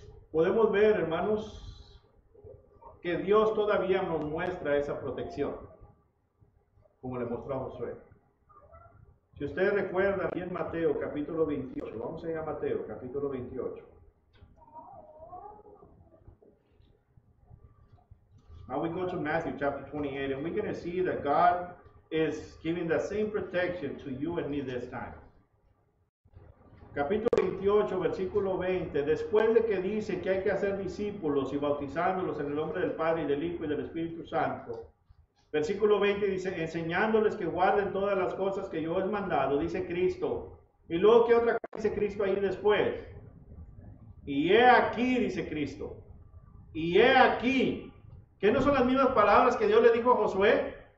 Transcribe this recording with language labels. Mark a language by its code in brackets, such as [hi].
[es] Podemos ver, hermanos, que Dios todavía nos muestra esa protección, como le mostró a Josué. Si ustedes recuerdan, aquí en Mateo, capítulo 28, vamos a ir a Mateo, capítulo 28. [en] Now we go to Matthew, chapter 28, and we're going to see that God is giving the same protection to you and me this time. [es] Capítulo 28, versículo 20, después de que dice que hay que hacer discípulos y bautizándolos en el nombre del Padre y del Hijo y del Espíritu Santo. Versículo 20 dice, enseñándoles que guarden todas las cosas que yo he mandado, dice Cristo. Y luego, ¿qué otra cosa dice Cristo ahí después? Y he aquí, dice Cristo, y he aquí, que no son las mismas palabras que Dios le dijo a Josué.